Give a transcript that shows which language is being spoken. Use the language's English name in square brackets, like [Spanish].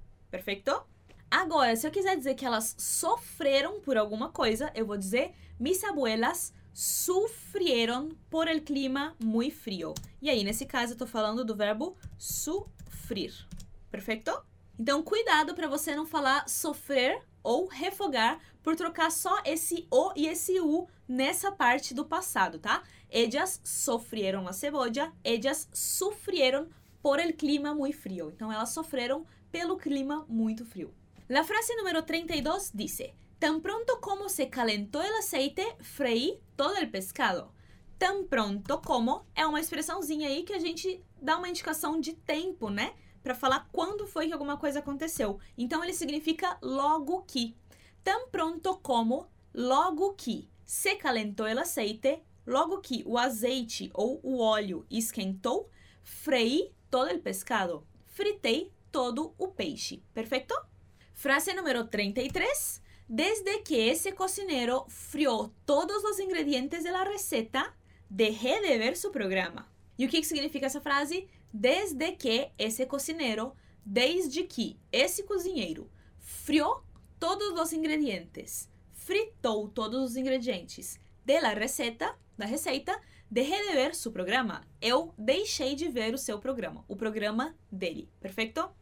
[Portuguese] Perfeito? Agora, se eu quiser dizer que elas sofreram por alguma coisa, eu vou dizer [Spanish] mis abuelas sufrieron por el clima muy frío. [Portuguese] E aí, nesse caso, eu tô falando do verbo sufrir. Perfeito? Então, cuidado para você não falar sofrer ou refogar por trocar só esse O e esse U nessa parte do passado, tá? [Spanish] Ellas sofrieron la cebolla, ellas sufrieron por el clima muy frío. [Portuguese] Então, elas sofreram pelo clima muito frio. [Spanish] La frase número 32 dice: tan pronto como se calentó el aceite, freí todo el pescado. Tan pronto como [Portuguese] é uma expressãozinha aí que a gente dá uma indicação de tempo, né? Para falar quando foi que alguma coisa aconteceu. Então, ele significa logo que. [Spanish] Tan pronto como, logo que. Se calentó el aceite, [Portuguese] logo que o azeite ou o óleo esquentou, [Spanish] freí todo el pescado. [Portuguese] Fritei todo o peixe. Perfeito? Frase número 33. [Spanish] Desde que ese cocinero frió todos los ingredientes de la receta, dejé de ver su programa. [Portuguese] E o que significa essa frase? [Spanish] Desde que ese cocinero, [Portuguese] desde que esse cozinheiro frió todos os ingredientes, fritou todos os ingredientes [Spanish] de la receta, [Portuguese] da receita, [Spanish] dejé de ver su programa. [Portuguese] Eu deixei de ver o seu programa, o programa dele. Perfeito?